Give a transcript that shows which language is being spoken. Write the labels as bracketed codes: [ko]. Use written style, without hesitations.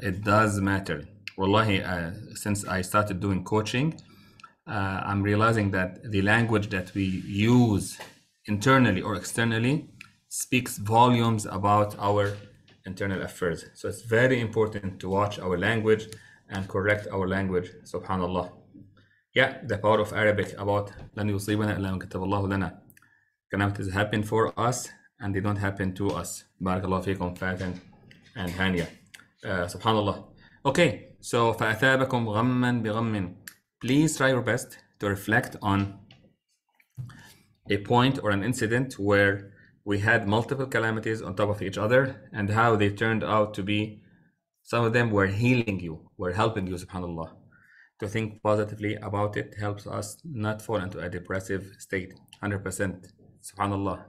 [en] It does matter. Wallahi, since I started doing coaching, I'm realizing that the language that we use internally or externally speaks volumes about our internal affairs. So it's very important to watch our language and correct our language, subhanallah. Yeah, the power of Arabic about [ar] لَنْ يُصِيبَنَا إِلَّا مَا كَتَبَ اللَّهُ لَنَا. [en] Calamities happen for us and they don't happen to us. Barakallahu feekum, Fatin and Hania. Subhanallah. Okay, so [ar] فَأَثَابَكُمْ غَمًّا بِغَمٍّ. [en] Please try your best to reflect on a point or an incident where we had multiple calamities on top of each other, and how they turned out to be, some of them were healing you, were helping you, subhanAllah. To think positively about it helps us not fall into a depressive state. 100%. Subhanallah.